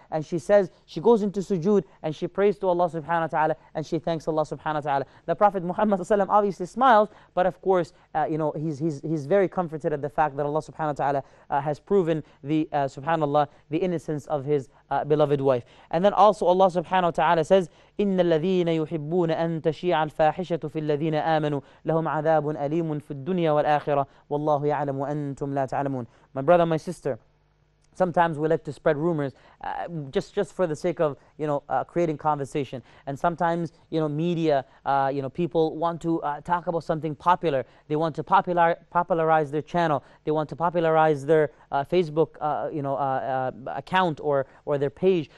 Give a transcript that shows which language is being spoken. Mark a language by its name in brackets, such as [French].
[English] And she says, she goes into sujood and she prays to Allah subhanahu wa ta'ala and she thanks Allah subhanahu wa ta'ala. The Prophet Muhammad sallallahu alaihi wasallam obviously smiles, but of course, he's very comforted at the fact that Allah subhanahu wa ta'ala has proven the innocence of his beloved wife. And then also Allah subhanahu wa ta'ala says, [Arabic] إِنَّ الَّذِينَ يُحِبُّونَ أَن تَشِيعَ الْفَاحِشَةُ فِي الَّذِينَ آمَنُوا لَهُمْ عَذَابٌ أَلِيمٌ فِي الدُّنْيَا وَالْآخِرَةِ وَاللَّهُ يَعْلَمُ وَأَنْتُمْ لَا تَعْلَمُونَ. [English] My brother, my sister, sometimes we like to spread rumors just for the sake of, you know, creating conversation. And sometimes, you know, media, you know, people want to talk about something popular. They want to popularize their channel. They want to popularize their Facebook, account or their page.